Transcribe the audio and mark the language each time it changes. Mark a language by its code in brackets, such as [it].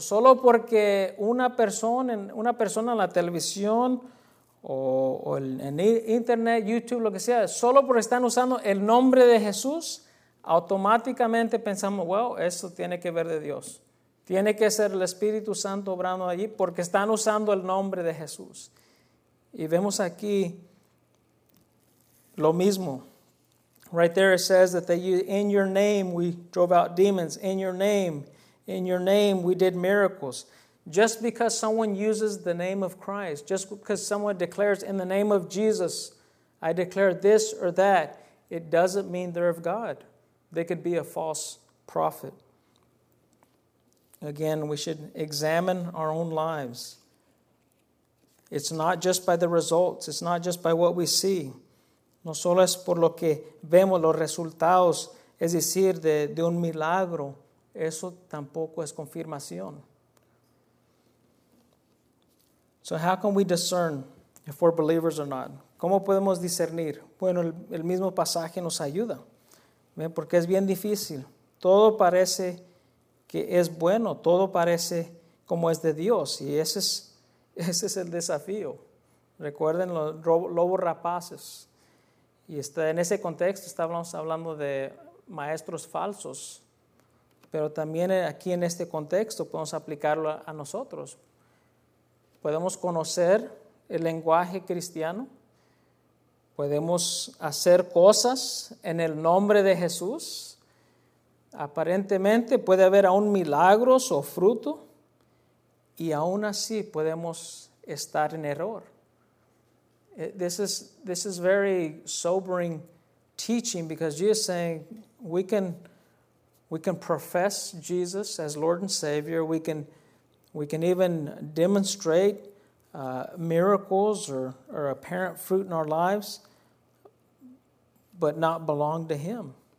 [es] Solo porque una persona en la televisión o en internet, YouTube, lo que sea, solo porque están usando el nombre de Jesús, automáticamente pensamos, wow, eso tiene que ver de Dios. Tiene que ser el Espíritu Santo obrando allí porque están usando el nombre de Jesús. Y vemos aquí lo mismo. [en] Right there it says that they use, in your name we drove out demons. In your name we did miracles. Just because someone uses the name of Christ, just because someone declares in the name of Jesus, I declare this or that, it doesn't mean they're of God. They could be a false prophet. Again, we should examine our own lives. It's not just by the results. It's not just by what we see. [es] No solo es por lo que vemos los resultados, es decir, de un milagro. Eso tampoco es confirmación. [en] So how can we discern if we're believers or not? [es] ¿Cómo podemos discernir? Bueno, el mismo pasaje nos ayuda. ¿Ven? Porque es bien difícil. Todo parece que es bueno. Todo parece como es de Dios. Y ese es el desafío. Recuerden los lobos rapaces. Y está, en ese contexto estábamos hablando de maestros falsos. Pero también aquí en este contexto podemos aplicarlo a nosotros. Podemos conocer el lenguaje cristiano. Podemos hacer cosas en el nombre de Jesús. Aparentemente puede haber aún milagros o fruto. Y aún así podemos estar en error. [en] This is very sobering teaching because Jesus is saying we can profess Jesus as Lord and Savior. We can even demonstrate miracles or apparent fruit in our lives, but not belong to Him.